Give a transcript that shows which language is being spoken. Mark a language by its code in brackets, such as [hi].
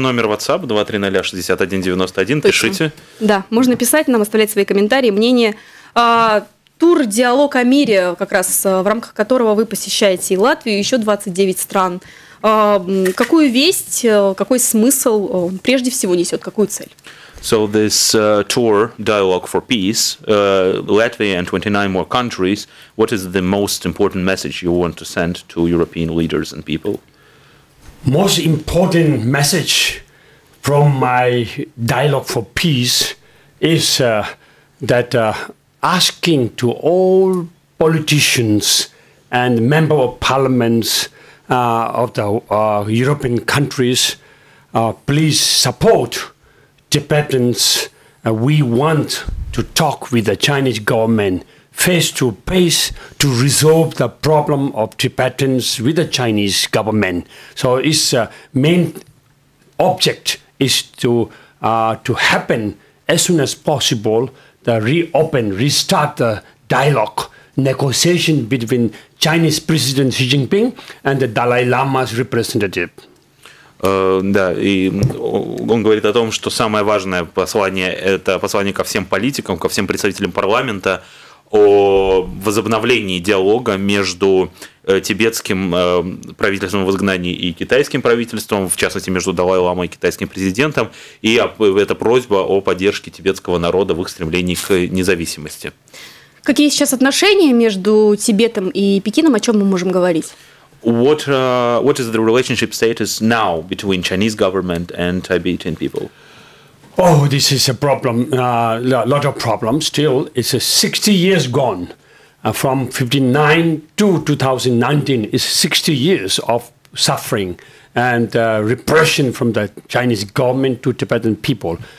[ru] номер WhatsApp 2-300-61-91. Точно. Пишите. Да, можно писать нам, оставлять свои комментарии, мнения. Тур «Диалог о мире», как раз в рамках которого вы посещаете и Латвию, и еще 29 стран. Какую весть, какой смысл он прежде всего несет, какую цель? [en] So this tour, Dialogue for Peace, Latvia and 29 more countries, what is the most important message you want to send to European leaders and people? Most important message from my Dialogue for Peace is that asking to all politicians and members of parliaments of the European countries, please support Tibetans, we want to talk with the Chinese government face to face to resolve the problem of Tibetans with the Chinese government. So its main object is to happen as soon as possible the reopen, restart the dialogue, negotiation between Chinese President Xi Jinping and the Dalai Lama's representative. [ru] Да, и он говорит о том, что самое важное послание – это послание ко всем политикам, ко всем представителям парламента о возобновлении диалога между тибетским правительством в изгнании и китайским правительством, в частности, между Далай-ламой и китайским президентом, и это просьба о поддержке тибетского народа в их стремлении к независимости. Какие сейчас отношения между Тибетом и Пекином, о чем мы можем говорить? [en] What is the relationship status now between Chinese government and Tibetan people? Oh, this is a problem, a lot of problems still. It's 60 years gone from 59 to 2019. It's 60 years of suffering and repression from the Chinese government to Tibetan people.